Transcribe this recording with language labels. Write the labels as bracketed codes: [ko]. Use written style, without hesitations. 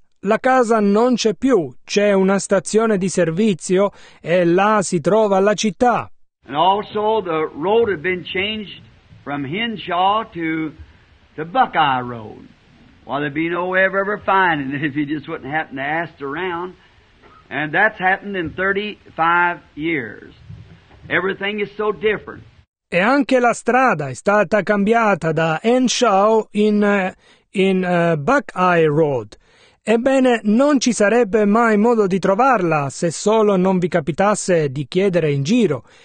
[it] La casa non c'è più, c'è una stazione di servizio e là si trova la città. [en] And also the road had been changed from Henshaw to Buckeye Road. Well, there'd be no way of ever finding it if you just wouldn't happen to ask around. And that's happened in 35 years. Everything is so different. [it] E anche la strada è stata cambiata da Henshaw in Buckeye Road. Ebbene, non ci sarebbe mai modo di trovarla se solo non vi capitasse di chiedere in giro.